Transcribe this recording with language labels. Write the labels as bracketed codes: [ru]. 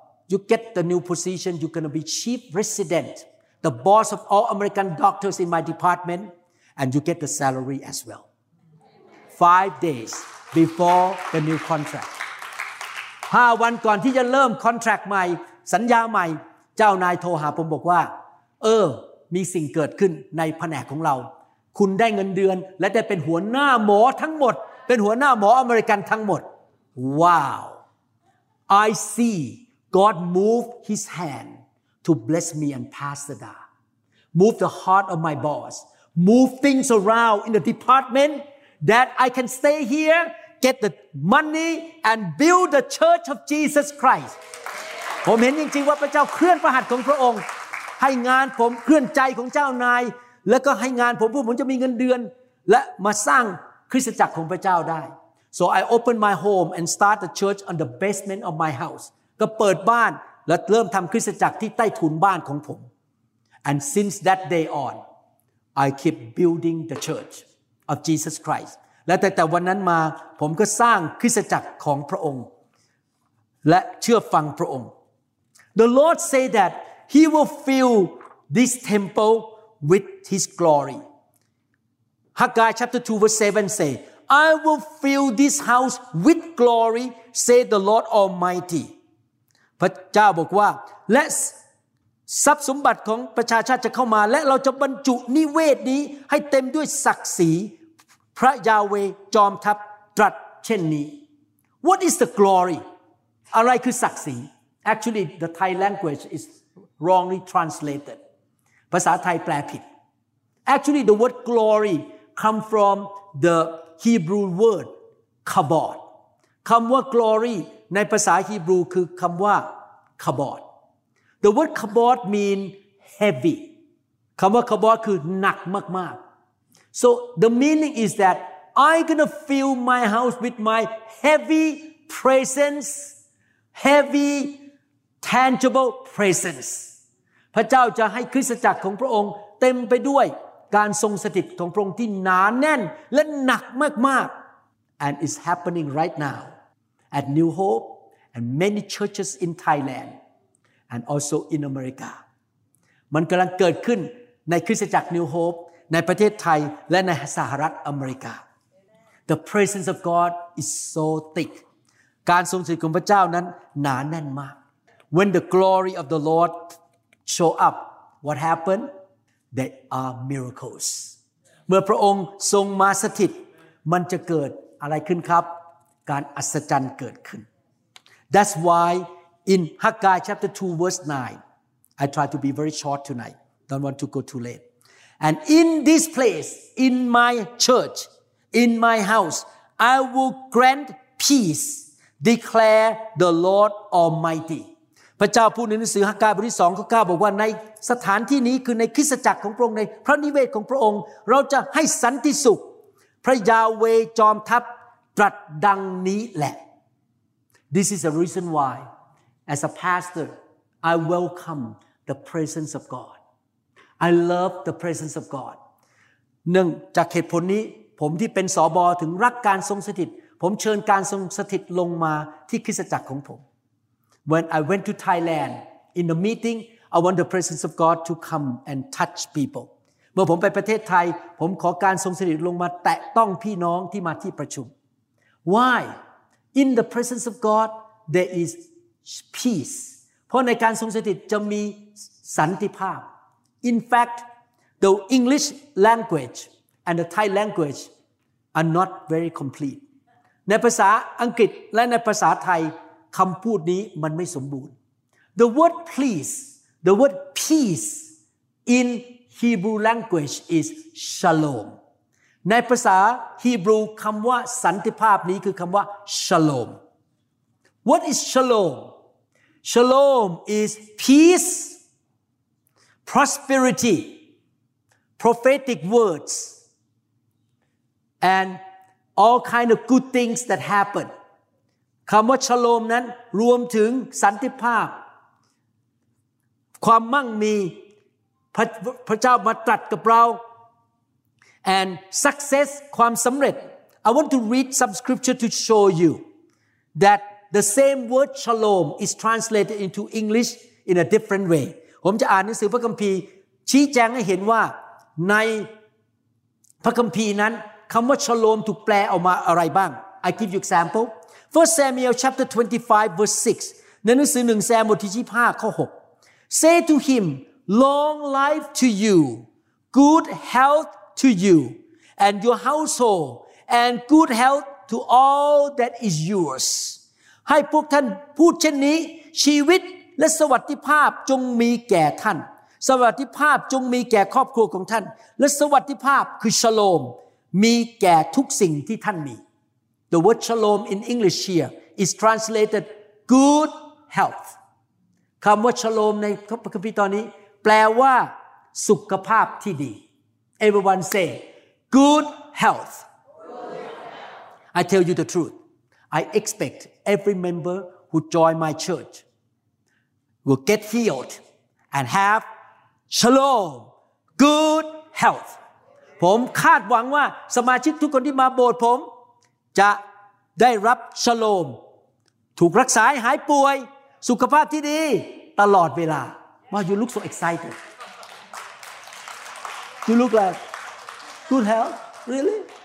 [en] You get the new position, you're going to be chief resident. The boss of all American doctors in my department, and you get the salary as well. 5 days before the new contract. [th] 5 วันก่อนที่จะเริ่ม contract ใหม่สัญญาใหม่เจ้านายโทรหาผมบอกว่าเออมีสิ่งเกิดขึ้นในแผนกของเราคุณได้เงินเดือนและได้เป็นหัวหน้าหมอทั้งหมดเป็นหัวหน้าหมออเมริกันทั้งหมด [en] Wow. I see God move his handTo bless me and pastor da, move the heart of my boss, move things around in the department that I can stay here, get the money and build the church of Jesus Christ. [th] ผมเห็นจริงๆว่าพระเจ้าเคลื่อนพระหัตถ์ของพระองค์ให้งานผมเคลื่อนใจของเจ้านายแล้วก็ให้งานผมเพื่อผมจะมีเงินเดือนและมาสร้างคริสตจักรของพระเจ้าได้ [en] So I open my home and start the church on the basement of my house. [th] ก็เปิดบ้านและเริ่มทำคริสตจักรที่ใต้ถุนบ้านของผม [en] And since that day on I keep building the church of Jesus Christ [th] และแต่วันนั้นมาผมก็สร้างคริสตจักรของพระองค์และเชื่อฟังพระองค์ [en] The Lord say that He will fill this temple with His glory Haggai chapter 2 verse 7 say I will fill this house with glory say the Lord Almighty [th] พระเจ้าบอกว่าและทรัพย์สมบัติของประชาชาติจะเข้ามาและเราจะบรรจุนิเวศนี้ให้เต็มด้วยศักดิ์ศรีพระยาเวจอมทัพตรัสเช่นนี้ [en] What is the glory [th] อะไรคือศักดิ์ศรี [en] Actually the Thai language is wrongly translated [th] ภาษาไทยแปลผิด [en] Actually the word glory come from the Hebrew word kabod [th] คำว่า gloryในภาษาฮีบรูคือคำว่าคบอด [en] The word kabod mean heavy [th] คำว่าคบอดคือหนักมาก [en] ๆ So the meaning is that I'm gonna fill my house with my heavy presence heavy tangible presence [th] พระเจ้าจะให้คริสตจักรของพระองค์เต็มไปด้วยการทรงสถิตของพระองค์ที่หนาแน่นและหนักมาก [en] ๆ And it's happening right nowAt New Hope and many churches in Thailand and also in America. [th] มันกำลังเกิดขึ้นในคริสตจักร New Hope ในประเทศไทยและในสหรัฐอเมริกา [en] The presence of God is so thick. [th] การทรงสถิตของพระเจ้านั้นหนาแน่นมาก [en] When the glory of the Lord show up, what happened? There are miracles. [th] เมื่อพระองค์ทรงมาสถิตมันจะเกิดอะไรขึ้นครับการอัศจรรย์เกิดขึ้น [en] That's why in Haggai chapter 2 verse 9. I try to be very short tonight. Don't want to go too late. And in this place, in my church, in my house, I will grant peace, declare the Lord Almighty. [th] พระเจ้าพูดในหนังสือฮักกายบทที่2ข้อ9บอกว่าในสถานที่นี้คือในคริสตจักรของพระองค์ในพระนิเวศของพระองค์เราจะให้สันติสุขพระยาเวจอมทัพตรัสดังนี้แหละ [en] This is the reason why as a pastor I welcome the presence of God I love the presence of God [th] หนึ่งจากเหตุผลนี้ผมที่เป็นสบถึงรักการทรงสถิตผมเชิญการทรงสถิตลงมาที่คริสตจักรของผม [en] When I went to Thailand in the meeting I want the presence of God to come and touch people [th] เมื่อผมไปประเทศไทยผมขอการทรงสถิตลงมาแตะต้องพี่น้องที่มาที่ประชุม [en] Why in the presence of God there is peace [th] เพราะในการทรงสถิตจะมีสันติภาพ [en] In fact the English language and the Thai language are not very complete [th] ในภาษาอังกฤษและในภาษาไทยคำพูดนี้มันไม่สมบูรณ์ [en] The word please the word peace in Hebrew language is shalom [th] ในภาษาฮีบรูคำว่าสันติภาพนี้คือคำว่า shalom [en] What is shalom Shalom is peace prosperity prophetic words andAll kind of good things that happen. [th] คำว่าชโลมนั้นรวมถึงสันติภาพความมั่งมีพระเจ้ามาตรัสกับเรา [en] and success ความสำเร็จ I want to read some scripture to show you that the same word shalom is translated into English in a different way. [th] ผมจะอ่านหนังสือพระคัมภีร์ชี้แจงให้เห็นว่าในพระคัมภีร์นั้นคำว่าชโลมถูกแปลออกมาอะไรบ้าง [en] I give you example 1 Samuel chapter 25 verse 6 [th] ในหนังสือ1ซามูเอลบทที่25ข้อ6 [en] Say to him long life to you good health to you and your household and good health to all that is yours [th] ให้พวกท่านพูดเช่นนี้ชีวิตและสวัสดิภาพจงมีแก่ท่านสวัสดิภาพจงมีแก่ครอบครัวของท่านและสวัสดิภาพคือชโลมมีแก่ทุกสิ่งที่ท่านมี [en] The word shalom in English here is translated good health [th] คำว่าชโลมในคัมภีร์ตอนนี้แปลว่าสุขภาพที่ดี [en] Everyone say good health I tell you the truth I expect every member who join my church will get healed and have shalom good health [th] ผมคาดหวังว่าสมาชิกทุกคนที่มาโบสถ์ผมจะได้รับชโลมถูกรักษาหายป่วยสุขภาพที่ดีตลอดเวลา [en] Wow, you look so excited. You look like good health, really?